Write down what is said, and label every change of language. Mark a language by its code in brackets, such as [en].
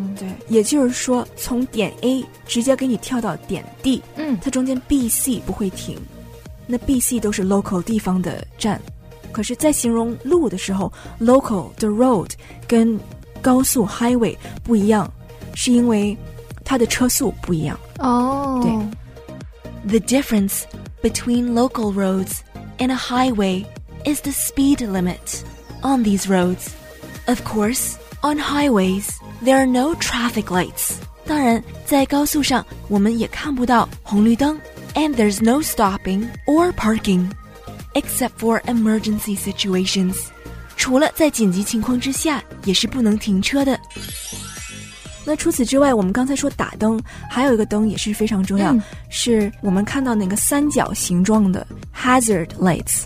[zh] 对，也就是说从点 A 直接给你跳到点 D。嗯，它中间 B、C 不会停，那 B、C 都是 local 地方的站。可是在形容路的时候， local 的 road 跟高速 highway 不一样，是因为它的车速不一样。哦， [en] 对， The difference between local roads and a highway is the speed limit on these roadsOf course, on highways, there are no traffic lights. [zh] 当然，在高速上，我们也看不到红绿灯。 [en] And there's no stopping or parking, except for emergency situations. [zh] 除了在紧急情况之下，也是不能停车的。那除此之外，我们刚才说打灯，还有一个灯也是非常重要，是我们看到那个三角形状的 hazard lights.